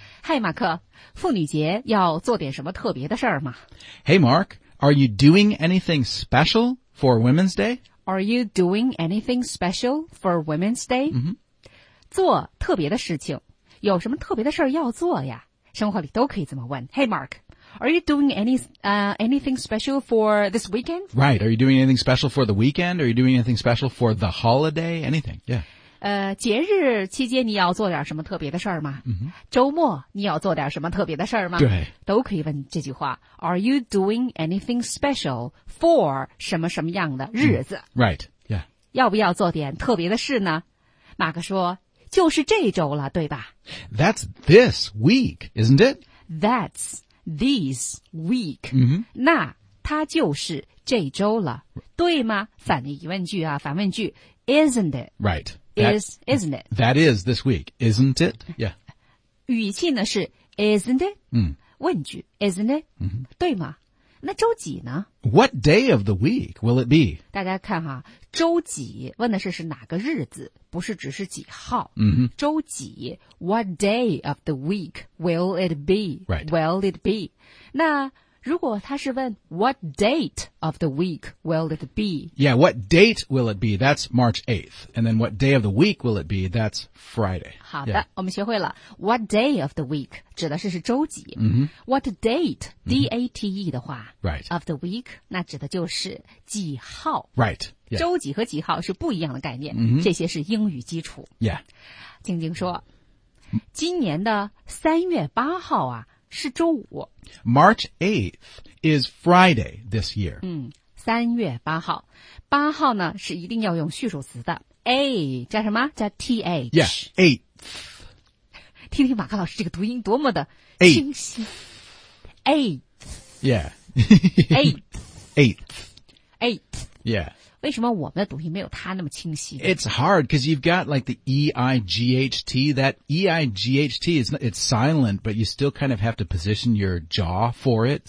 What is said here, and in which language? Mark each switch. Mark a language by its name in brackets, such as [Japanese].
[Chinese] 嗨，马克，妇女节要做点什么特别的事儿吗？ [English] Hey, Mark, are you doing anything special for Women's Day? Are you doing anything special for Women's Day? Mm-hmm. [Chinese] 做特别的事情，有什么特别的事儿要做呀？生活里都可以这么问。 [English] Hey, Mark, are you doing anything special for this weekend? Right, are you doing anything special for the weekend? Are you doing anything special for the holiday? Anything, yeah. [Chinese] 节日期间你要做点什么特别的事儿吗、 mm-hmm. 周末你要做点什么特别的事儿吗对。都可以问这句话。 [English] Are you doing anything special for [Chinese] 什么什么样的日子、 [English] mm. Right, yeah. [Chinese] 要不要做点特别的事呢马克说就是这周了对吧 [English] That's this week, isn't it? That's this week.、 Mm-hmm. [Chinese] 那它就是这周了对吗反疑问句啊反问句 [English] Isn't it? Right. Isn't it? That is this week, isn't it? Yeah. [Chinese] 语气呢是 [English] isn't it?、 Mm. [Chinese] 问句 [English] isn't it?、 Mm-hmm. [Chinese] 对吗？那周几呢 [English] ？What day of the week will it be? [Chinese] 大家看哈，周几问的是哪个日子，不是只是几号。 Mm-hmm. [English] 周几 ？What day of the week will it be? Right. Will it be? [Chinese] 那如果他是问 [English] What date of the week will it be? Yeah, what date will it be? That's March 8th. And then what day of the week will it be? That's Friday. [Chinese] 好的、yeah. 我们学会了 [English] What day of the week [Chinese] 指的是周几、 mm-hmm. [English] What date,、mm-hmm. D-A-T-E 的话、 right. of the week, [Chinese] 那指的就是几号 [English] Right.、Yeah. [Chinese] 周几和几号是不一样的概念、 mm-hmm. 这些是英语基础。 [English] Yeah. [Chinese] 静静说今年的3月8号啊是周五。 [English] March 8th is Friday this year. [Chinese] 嗯 ,3 月8号。 8号呢是一定要用序数词的。 A, 加什么加 TH。 [English] Yes, 8th。 [Chinese] 听听马克老师这个读音多么的清晰。 [English] 8th。 Yeah. 8th。 8th。 8th。 Yeah. [Chinese] 为什么我们的读音没有它那么清晰 [English] It's hard because you've got like the E-I-G-H-T. That E-I-G-H-T, it's silent, but you still kind of have to position your jaw for it.